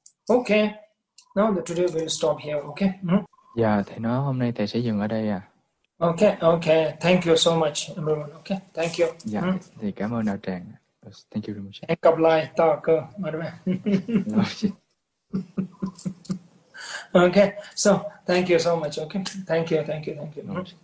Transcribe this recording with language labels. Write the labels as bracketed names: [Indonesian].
[English] Okay, now the tutorial will stop here, okay? [Vietnamese] Dạ, thầy nói hôm nay thầy sẽ dừng ở đây à. [English] Okay, thank you so much, everyone, okay? Thank you. [Vietnamese] Dạ, thì cảm ơn đạo tràng. [English] Thank you very much. [Vietnamese] Hẹn gặp lại, tao cơ, mời đoạn. [English] Okay, so, thank you so much, okay? Thank you.